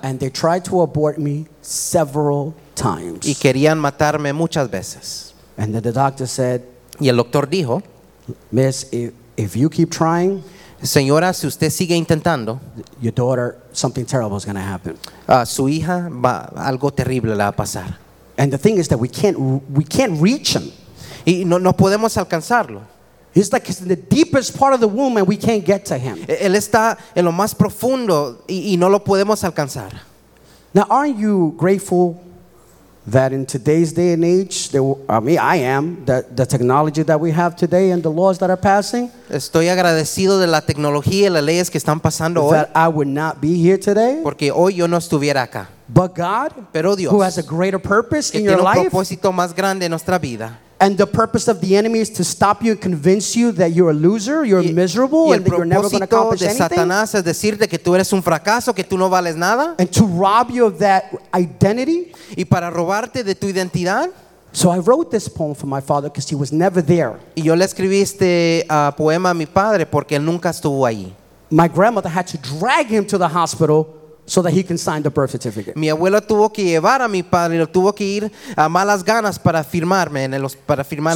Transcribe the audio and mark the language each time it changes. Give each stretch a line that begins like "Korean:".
English: And they tried to abort me several times.
Spanish: Y querían matarme muchas veces.
English: And then the doctor said,
Spanish: y el doctor dijo,
English: Miss, if you keep trying,
Spanish: señora, si usted sigue intentando,
English: your daughter, something terrible is going to happen.
Spanish: Su hija va, algo terrible le va a pasar.
English: And the thing is that we can't reach him.
Spanish: Y no podemos alcanzarlo.
English: He's like he's in the deepest part of the womb and we can't get to him.
Spanish: Él está en lo más profundo y no lo podemos alcanzar.
English: Now, aren't you grateful that in today's day and age, I am, that the technology that we have today and the laws that are passing.
Spanish: Estoy agradecido de la tecnología y las leyes que están pasando
English: that
Spanish: hoy.
English: That I would not be here today.
Spanish: Porque hoy yo no estuviera acá.
English: But God,
Spanish: pero Dios,
English: who has a greater purpose
Spanish: que
English: in your
Spanish: tiene un
English: life,
Spanish: propósito más grande en nuestra vida,
English: And the purpose of the enemy is to stop you and convince you that you're a loser, you're miserable, and that you're never going to accomplish anything.
Spanish: Y el propósito de Satanás es decirte que tú eres un fracaso, que tú no vales nada.
English: And to rob you of that identity.
Spanish: Y para robarte de tu identidad.
English: So I wrote this poem for my father because he was never there.
Spanish: Y yo le escribí este poema a mi padre porque él nunca estuvo allí.
English: My grandmother had to drag him to the hospital so that he can sign the birth certificate.
Spanish: Mi abuela tuvo que llevar a mi padre, lo tuvo que ir a malas ganas para firmarme en el para firmar